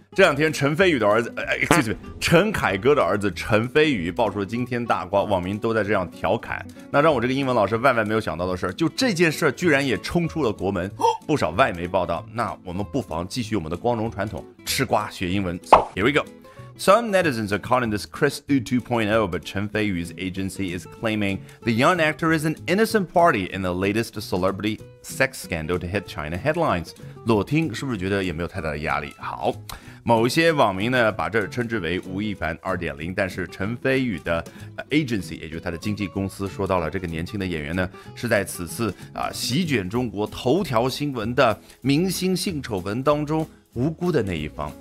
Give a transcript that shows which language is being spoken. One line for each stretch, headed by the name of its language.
Chinese: 这两天陈飞宇的儿子，陈凯歌的儿子陈飞宇爆出了惊天大瓜，网民都在这样调侃。那让我这个英文老师万万没有想到的事，就这件事居然也冲出了国门，不少外媒报道。那我们不妨继续我们的光荣传统，吃瓜学英文。
English: So, here we go. Some netizens are calling this Chris Yu 2.0, but Chen Feiyu's agency is claiming the young actor is an innocent party in the latest celebrity sex scandal to hit China headlines.
Chinese: 裸听是不是觉得也没有太大的压力？好。某些网民呢把这称之为吴亦凡 2.0， 但是陈飞宇的 agency， 也就是他的经纪公司，说到了这个年轻的演员呢是在此次席卷中国头条新闻的明星性丑闻当中无辜的那一方。